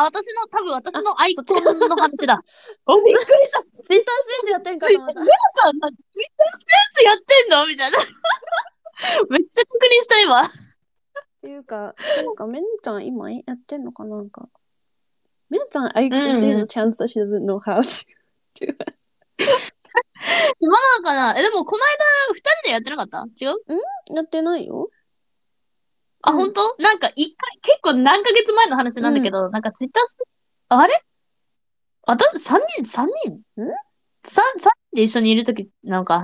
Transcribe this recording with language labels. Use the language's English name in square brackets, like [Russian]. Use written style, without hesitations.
[Japanese] あ、私のアイコンの話だ。お、びっくりした。ツイッタースペースやってんかと思った。メノちゃん、ツイッタースペースやってんの？みたいな。めっちゃ確認した今。っていうか、なんかメノちゃん今やってんのかな、なんか。 [English] みなちゃん、I there's a chance that she doesn't know how to do it. [Japanese] 今なのかな？え、でも、この間、二人でやってなかった？違う？やってないよ。あ、ほんと？なんか、一回、結構何ヶ月前の話なんだけど、なんか、ツイッターして、あれ？あ、だ、三人？ん？三人で一緒にいるとき、なのか。